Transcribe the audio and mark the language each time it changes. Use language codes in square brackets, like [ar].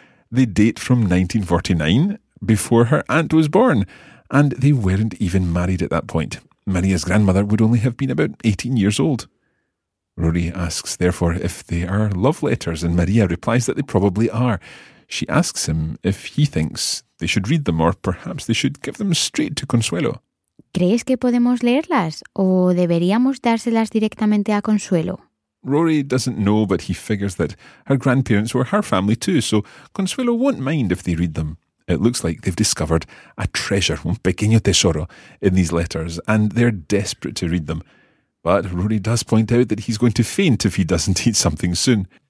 [en] They date from 1949, before her aunt was born, and they weren't even married at that point. Maria's grandmother would only have been about 18 years old. Rory asks, therefore, if they are love letters, and Maria replies that they probably are. She asks him if he thinks they should read them, or perhaps they should give them straight to Consuelo. [es] ¿Crees que podemos leerlas, o deberíamos dárselas directamente a Consuelo? [en] Rory doesn't know, but he figures that her grandparents were her family too, so Consuelo won't mind if they read them. It looks like they've discovered a treasure, [es] un pequeño tesoro, [en] in these letters, and they're desperate to read them. But Rory does point out that he's going to faint if he doesn't eat something soon.